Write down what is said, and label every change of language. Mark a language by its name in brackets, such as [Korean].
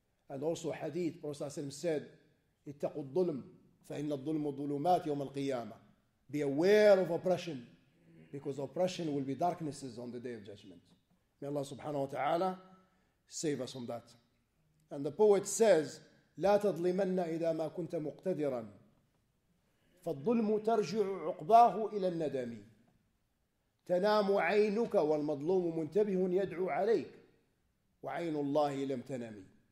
[English] And also Hadith, Prophet ﷺ said, [Arabic] اتقوا الظلم فإن الظلم ظلمات يوم القيامة. [English] Be aware of oppression, because oppression will be darknesses on the Day of Judgment. May Allah subhanahu wa ta'ala save us from that. And the poet says, [Arabic] لا تظلمن إذا ما كنت مقتدرا فالظلم ترجع عقباه إلى الندم تنام عينك والمظلوم منتبه يدعو عليك وعين الله لم تنمي.